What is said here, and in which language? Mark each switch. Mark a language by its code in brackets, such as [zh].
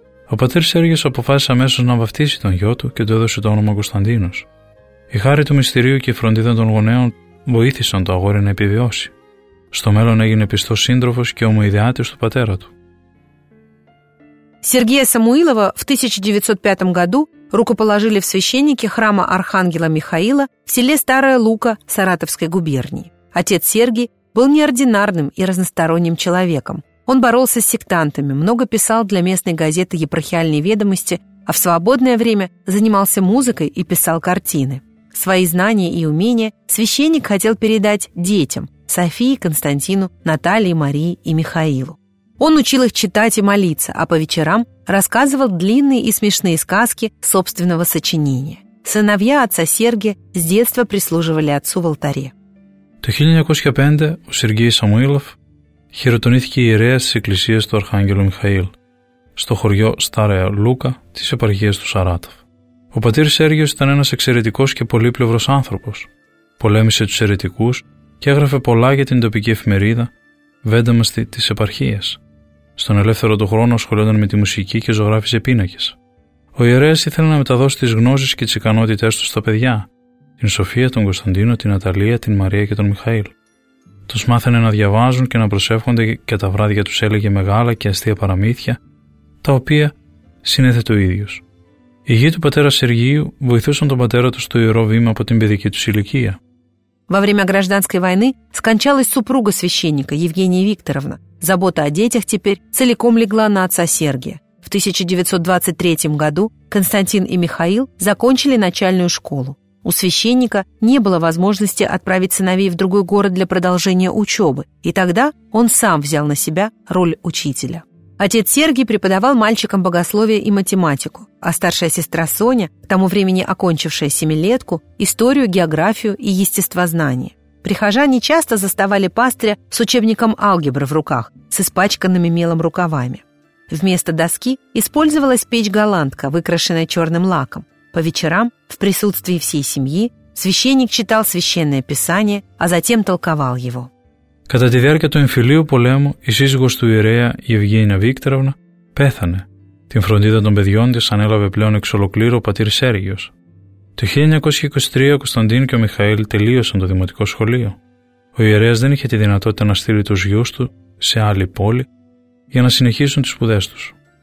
[el] Ο πατήρ Σέργιος αποφάσισε αμέσως να βαφτίσει τον γιο του και του έδωσε το όνομα Κωνσταντίνος. Η χάρη του μυστηρίου και η φροντίδα των γονέων βοήθησαν το αγόρι να επιβιώσει. Στο μέλλον έγινε πιστός σύντροφος και ομοειδεάτης του πατέρα του. [ru] Сергея Самуилова в 1905 году рукоположили в священники храма Архангела Михаила в селе Старая Лука Саратовской губернии. Отец Сергий был неординарным и разносторонним человеком. Он боролся с сектантами, много писал для местной газеты «Епархиальные ведомости», а в свободное время занимался музыкой и писал картины. Свои знания и умения священник хотел передать детям – Софии, Константину, Наталье, Марии и Михаилу. Он учил их читать и молиться, а по вечерам рассказывал длинные и смешные сказки собственного сочинения. Сыновья отца Сергия с детства прислуживали отцу в алтаре. [el] Το 1905 ο Σεργίος Σαμουήλοφ χειροτονήθηκε ιερέας της εκκλησίας του Αρχάγγελου Μιχαήλ στο χωριό Στάρεα Λούκα της επαρχίας του Σαράτοφ. Ο πατήρ Σέργιος ήταν ένας εξαιρετικός και πολύπλευρος άνθρωπος. Πολέμησε τους αιρετικούς και έγραφε πολλά για την τοπική εφημερίδα Βένταμαστη της επαρχίας. Στον ελεύθερο του χρόνο ασχολιόταν με τη μουσική και ζωγράφιζε πίνακες. Ο ιερέας ήθελε να μεταδώσει τις γνώσεις και τις ικανότητές του στα παιδιά, την Σοφία, τον Κωνσταντίνο, την Αταλία, την Μαρία και τον Μιχαήλ. Τους μάθαινε να διαβάζουν και να προσεύχονται και τα βράδια τους έλεγε μεγάλα και αστεία παραμύθια, τα οποία συνέθετε ο ίδιος. Οι γιοι του πατέρα Σεργίου βοηθούσαν τον πατέρα του στο ιερό βήμα από την παιδική του ηλικία. [ru] Во время гражданской войны скончалась супруга священника Евгения Викторовна. Забота о детях теперь целиком легла на отца Сергия. В 1923 году Константин и Михаил закончили начальную школу. У священника не было возможности отправить сыновей в другой город для продолжения учебы, и тогда он сам взял на себя роль учителя. Отец Сергий преподавал мальчикам богословие и математику, а старшая сестра Соня, к тому времени окончившая семилетку, историю, географию и естествознание. Прихожане часто заставали пастыря с учебником алгебры в руках, с испачканными мелом рукавами. Вместо доски использовалась печь-голландка, выкрашенная черным лаком. По вечерам, в присутствии всей семьи, священник читал священное писание, а затем толковал его. [el] Κατά τη διάρκεια του εμφυλίου πολέμου, η σύζυγος του ιερέα, η Ευγένια Βίκτρεβνα, πέθανε. Την φροντίδα των παιδιών της ανέλαβε πλέον εξ ολοκλήρου ο πατήρ Σέργιος. Το 1923 ο Κωνσταντίν και ο Μιχαήλ τελείωσαν το δημοτικό σχολείο. Ο ιερέας δεν είχε τη δυνατότητα να στείλει τους γιους του σε άλλη πόλη για να συνεχίσουν τις σπουδές τους.